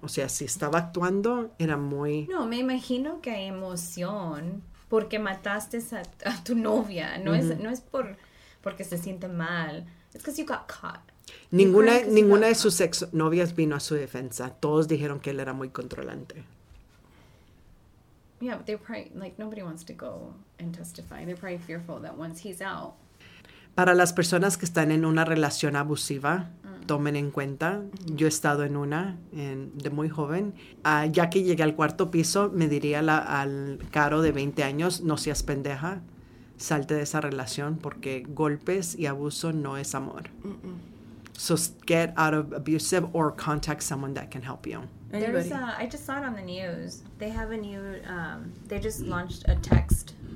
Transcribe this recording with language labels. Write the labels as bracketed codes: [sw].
[es] O sea, si estaba actuando, era muy... No, me imagino que hay emoción porque mataste a tu novia. No, mm-hmm. es porque se siente mal. [en] It's because you got caught. [es] Ninguna de sus exnovias vino a su defensa. Todos dijeron que él era muy controlante. [en] Yeah, but they're probably, like, nobody wants to go and testify. They're probably fearful that once he's out. [es] Para las personas que están en una relación abusiva, tomen en cuenta, yo he estado en una de muy joven. Ya que llegué al cuarto piso, me diría al Caro de 20 años, no seas pendeja, salte de esa relación, porque golpes y abuso no es amor. [en] So get out of abusive or contact someone that can help you. I just saw it on the news. They have a new, they just launched a text.